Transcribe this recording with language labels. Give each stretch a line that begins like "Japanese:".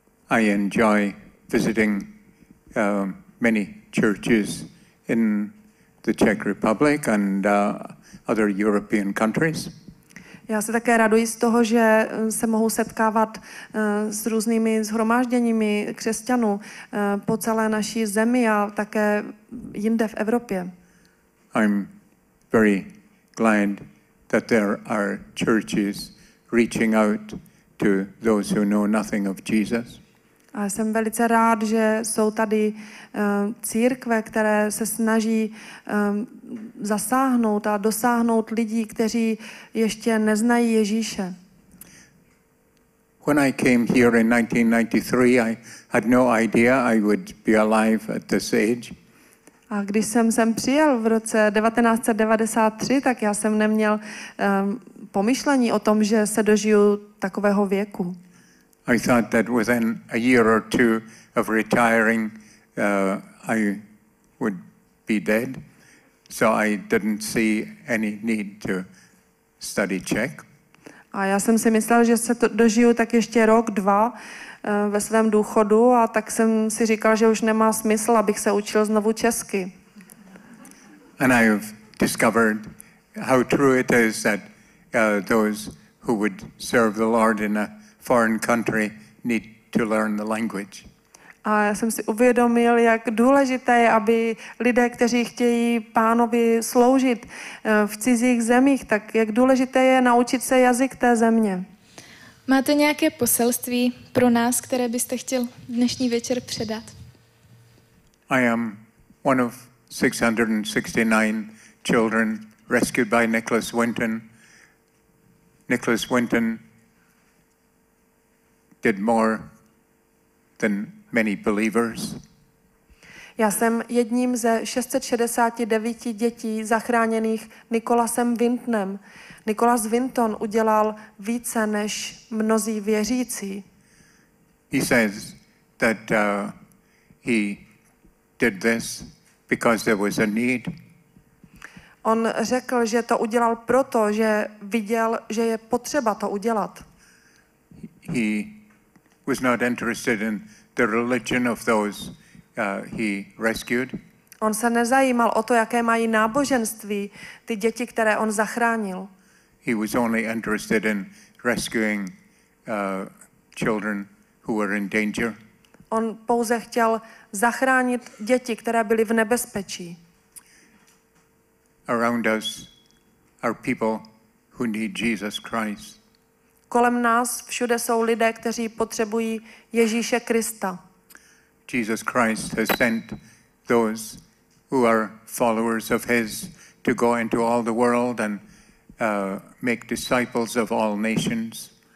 English: I enjoy visiting many churches in the Czech Republic and other European countries.
Czech: Já se také raduji z toho, že se mohu setkávat s různými shromážděními křesťanů po celé naší zemi a také jinde v Evropě.
English: I'm very glad that there are churches reaching out to those who know nothing of Jesus.
Czech: A jsem velice rád, že jsou tady církve, které se snaží zasáhnout a dosáhnout lidí, kteří ještě neznají Ježíše.
English: When I came here in 1993, I had no idea I would be alive at this age.
Czech: A když jsem sem přijel v roce 1993, tak já jsem neměl pomyšlení o tom, že se dožiju takového věku.
English: I thought that within a year or two of retiring, I would be dead. So I didn't see any need to study Czech.
Czech: A já jsem si myslel, že se to dožiju tak ještě rok, dva ve svém důchodu a tak jsem si říkal, že už nemá smysl, abych se učil znovu česky.
English: And I have discovered how true it is that those who would serve the Lord in a foreign country need to learn the language.
Czech: A já jsem si uvědomil, jak důležité je, aby lidé, kteří chtějí pánovi sloužit v cizích zemích, tak jak důležité je naučit se jazyk té země. Máte nějaké poselství pro nás, které byste chtěl dnešní večer předat?
English: I am one of 669 children rescued by Nicholas Winton. Nicholas Winton did more than many believers.
Czech: Já jsem jedním ze 669 dětí zachráněných Nicholasem Wintonem. Nicholas Winton udělal více než mnozí věřící.
English: He says that he did this because there was a need.
Czech: On řekl, že to udělal proto, že viděl, že je potřeba to udělat.
English: He was not interested in the religion of those he rescued.
Czech: On se nezajímal o to, jaké mají náboženství ty děti, které on zachránil.
English: He was only interested in rescuing children who were in danger.
Czech: On pouze chtěl zachránit děti, které byly v nebezpečí.
English: Around us are people who need Jesus Christ.
Czech: Kolem nás všude jsou lidé, kteří potřebují Ježíše Krista.
English: Jesus Christ has sent those who are followers of his to go into all the world and make disciples of all nations.